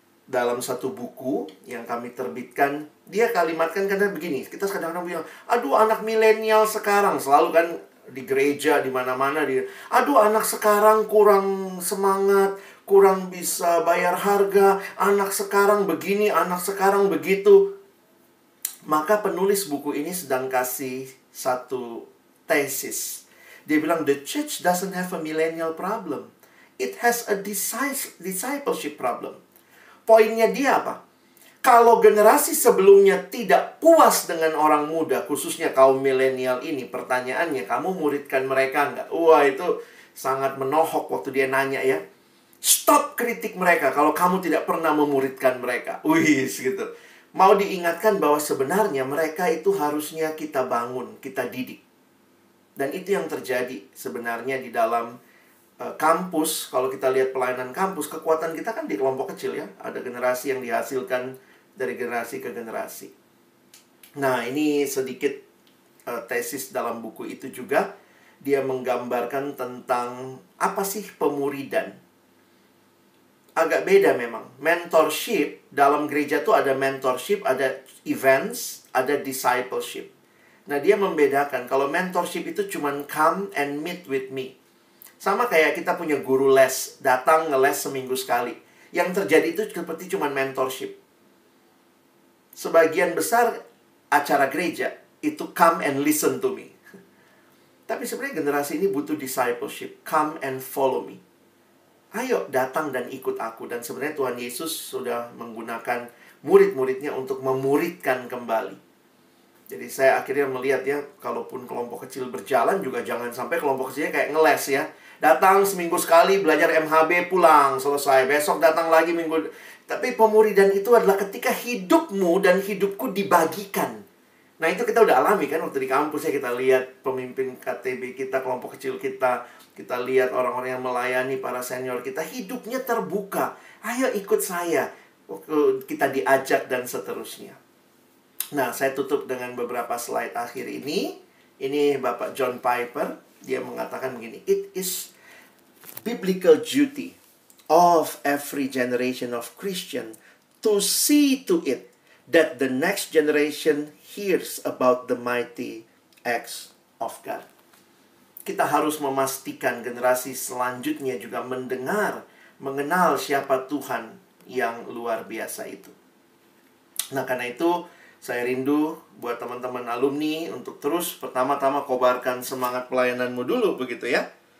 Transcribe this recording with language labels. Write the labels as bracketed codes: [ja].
[id] Dalam satu buku yang kami terbitkan, dia kalimatkan karena begini, kita kadang-kadang bilang, aduh anak milenial sekarang, selalu kan di gereja, di mana-mana, dia, aduh anak sekarang kurang semangat, kurang bisa bayar harga, anak sekarang begini, anak sekarang begitu. Maka penulis buku ini sedang kasih satu tesis. Dia bilang, [en] the church doesn't have a millennial problem. It has a discipleship problem. [id] Poinnya dia apa? Kalau generasi sebelumnya tidak puas dengan orang muda, khususnya kaum milenial ini, pertanyaannya, kamu muridkan mereka enggak? Wah, itu sangat menohok waktu dia nanya ya. Stop kritik mereka kalau kamu tidak pernah memuridkan mereka. Wih, gitu. Mau diingatkan bahwa sebenarnya mereka itu harusnya kita bangun, kita didik. Dan itu yang terjadi sebenarnya di dalam kampus, kalau kita lihat pelayanan kampus, kekuatan kita kan di kelompok kecil ya. Ada generasi yang dihasilkan dari generasi ke generasi. Nah ini sedikit tesis dalam buku itu juga. Dia menggambarkan tentang apa sih pemuridan. Agak beda memang. Mentorship, dalam gereja tuh ada mentorship, ada events, ada discipleship. Nah dia membedakan, kalau mentorship itu cuman [en] come and meet with me. [id] Sama kayak kita punya guru les, datang ngeles seminggu sekali. Yang terjadi itu seperti cuman mentorship. Sebagian besar acara gereja itu [en] come and listen to me. [id] Tapi sebenarnya generasi ini butuh discipleship, [en] come and follow me. [id] Ayo datang dan ikut aku. Dan sebenarnya Tuhan Yesus sudah menggunakan murid-muridnya untuk memuridkan kembali. Jadi saya akhirnya melihat ya, kalaupun kelompok kecil berjalan juga jangan sampai kelompok kecilnya kayak ngeles ya. Datang seminggu sekali belajar MHB pulang, selesai. Besok datang lagi minggu. Tapi pemuridan itu adalah ketika hidupmu dan hidupku dibagikan. Nah itu kita udah alami kan waktu di kampus ya, kita lihat pemimpin KTB kita, kelompok kecil kita. Kita lihat orang-orang yang melayani para senior kita, hidupnya terbuka. Ayo ikut saya. kita diajak dan seterusnya. Nah, saya tutup dengan beberapa slide akhir ini. Ini Bapak John Piper, dia mengatakan begini, [en] "It is biblical duty of every generation of Christian to see to it that the next generation hears about the mighty acts of God." [id] Kita harus memastikan generasi selanjutnya juga mendengar, mengenal siapa Tuhan yang luar biasa itu. Nah, karena itu saya rindu buat teman-teman alumni untuk terus pertama-tama kobarkan semangat pelayananmu dulu, begitu ya.